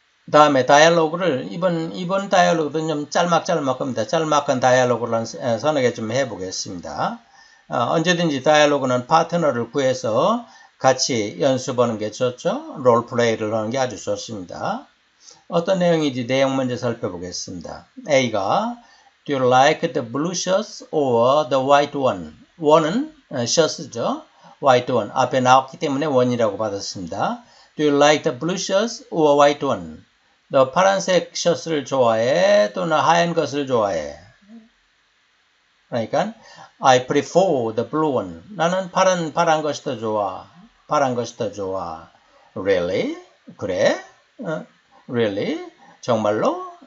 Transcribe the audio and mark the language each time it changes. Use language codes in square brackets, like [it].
[ko] 다음에 다이아로그를 이번 다이아로그는 좀 짤막짤막합니다. 짤막한 다이아로그를 선하게 좀 해보겠습니다. 언제든지 다이아로그는 파트너를 구해서 같이 연습하는 게 좋죠. 롤플레이를 하는 게 아주 좋습니다. 어떤 내용인지 내용 먼저 살펴보겠습니다. [en] A가 Do you like the blue shirts or the white one? One은 shirts죠. White one. [ko] 앞에 나왔기 때문에 one이라고 받았습니다. [en] Do you like the blue shirts or white one? [ko] 너 파란색 셔츠를 좋아해? 또는 하얀 것을 좋아해? 그러니까, [en] I prefer the blue one. [ko] 나는 파란 것이 더 좋아. 파란 것이 더 좋아. Really? 그래? Really? 정말로?